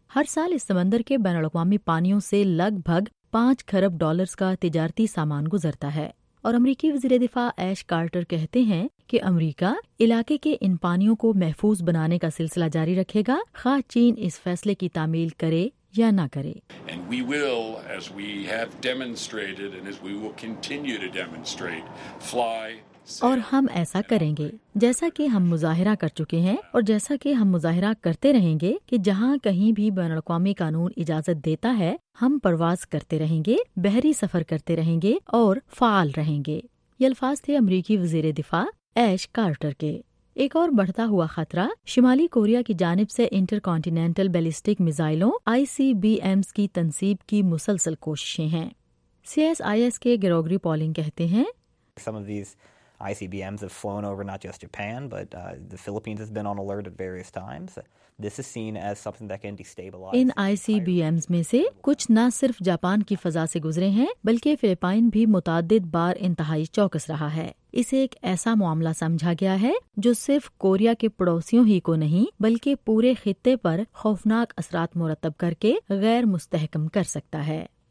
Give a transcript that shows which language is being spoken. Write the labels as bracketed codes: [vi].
[ur] ہر سال اس سمندر کے بین الاقوامی پانیوں سے لگ بھگ $5 کھرب کا تجارتی سامان گزرتا ہے، اور امریکی وزیر دفاع ایش کارٹر کہتے ہیں کہ امریکہ علاقے کے ان پانیوں کو محفوظ بنانے کا سلسلہ جاری رکھے گا، خواہ چین اس فیصلے کی تعمیل کرے یا نہ کرے. [en] And we will, as we have demonstrated and as we will continue to demonstrate, fly. [ur] اور ہم ایسا کریں گے جیسا کہ ہم مظاہرہ کر چکے ہیں اور جیسا کہ ہم مظاہرہ کرتے رہیں گے کہ جہاں کہیں بھی بین الاقوامی قانون اجازت دیتا ہے ہم پرواز کرتے رہیں گے، بحری سفر کرتے رہیں گے اور فعال رہیں گے. یہ الفاظ تھے امریکی وزیر دفاع ایش کارٹر کے. ایک اور بڑھتا ہوا خطرہ شمالی کوریا کی جانب سے انٹر کانٹیننٹل بیلسٹک میزائلوں ICBMs کی تنصیب کی مسلسل کوششیں ہیں. CSIS کے گروگری پالنگ کہتے ہیں [en] ICBMs have flown over not just Japan, but the Philippines has been on alert at various times. This is seen as something that can destabilize. [ur] In ICBMs میں سے کچھ نہ صرف جاپان کی فضا سے گزرے ہیں بلکہ فلپائن بھی متعدد بار انتہائی چوکس رہا ہے. اسے ایک ایسا معاملہ سمجھا گیا ہے جو صرف کوریا کے پڑوسیوں ہی کو نہیں بلکہ پورے خطے پر خوفناک اثرات مرتب کر کے غیر مستحکم کر سکتا ہے.